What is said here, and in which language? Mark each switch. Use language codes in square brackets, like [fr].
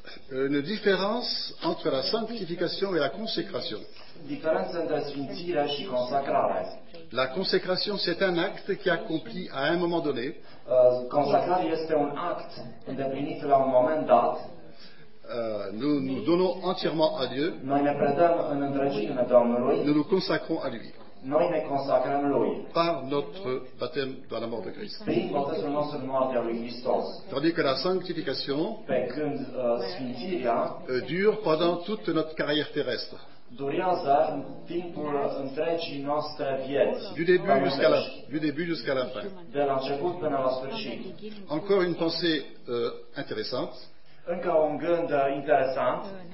[fr] Une différence entre la sanctification et la consécration. [ro] Diferența între sfințire și consacrare. [fr] La consécration, c'est un acte qui accomplit à un moment donné. [ro] Consacrarea este un act îndeplinit la un moment dat. [fr] Nous nous donnons entièrement à Dieu. [ro] Noi ne predăm în întregime Domnului. [fr] Nous nous consacrons à lui. [ro] Noi ne consacrăm lui. [fr] Par notre baptême dans la mort de Christ. [ro] Prin botezul nostru în moartea lui Hristos. [fr] Tandis que la sanctification. [ro] Pe când sfințirea. [fr] Dure pendant toute notre carrière terrestre. [ro] Durează în timpul întregii noastre vieți. [fr] Du début jusqu'à la fin. [ro] De la început până la sfârșit. [fr] Encore une pensée intéressante. [ro] Încă un gând interesant.